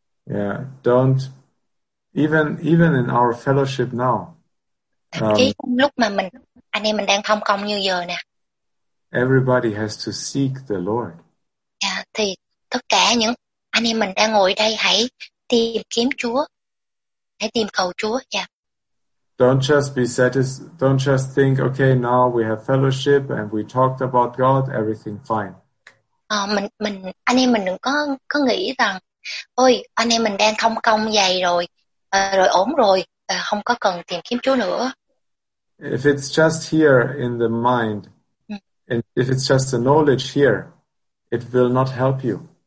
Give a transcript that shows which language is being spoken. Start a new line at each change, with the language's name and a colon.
English: Yeah, don't even in our fellowship now.
Vietnamese: Lúc mà mình anh em mình đang thông công như giờ nè.
English: Everybody has to seek the Lord.
Vietnamese: Yeah, thì tất cả những anh em mình đang ngồi đây hãy tìm kiếm Chúa. Hãy tìm cầu Chúa, yeah.
English: Don't just think, okay, now we have fellowship and we talked about God, everything fine.
Vietnamese: Mình anh em mình đừng có nghĩ rằng, ôi anh em mình đang thông công dày rồi, rồi ổn rồi, không có cần tìm kiếm Chúa nữa.
English: If it's just here in the mind, and if it's just the knowledge here, it will not help you.